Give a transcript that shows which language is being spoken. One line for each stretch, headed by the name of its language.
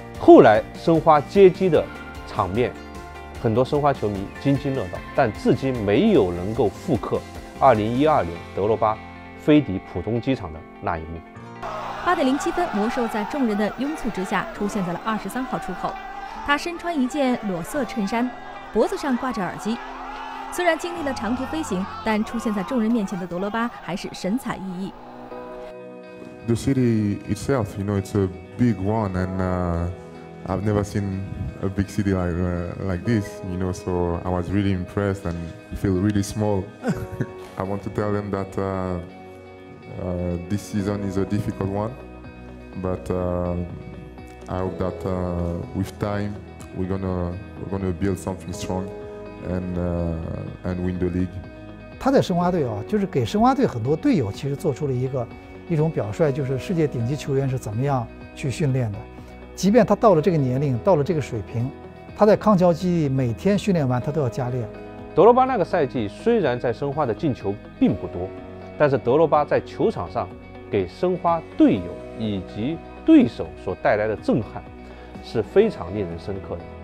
Chinese: 后来申花接机的场面，很多申花球迷津津乐道，但至今没有能够复刻2012年德罗巴飞抵浦东机场的那一幕。 8:07，魔兽在众人的拥簇之下出现在了23号出口。他身穿一件裸色衬衫，脖子上挂着耳机。虽然经历了长途飞行，但出现在众人面前的德罗巴还是神采奕奕。
English: The city itself, you know, it's a big one, and I've never seen a big city like this, you know, so I was really impressed and feel really small. I want to tell them that this season is a difficult one, but I hope that with time we're gonna build something strong and win the league.
Chinese: 他在申花队啊，就是给申花队很多队友其实做出了一种表率，就是世界顶级球员是怎么样去训练的。即便他到了这个年龄，到了这个水平，他在康桥基地每天训练完，他都要加练。德罗巴那个赛季虽然在申花的进球并不多，但是德罗巴在球场上给申花队友以及对手所带来的震撼是非常令人深刻的。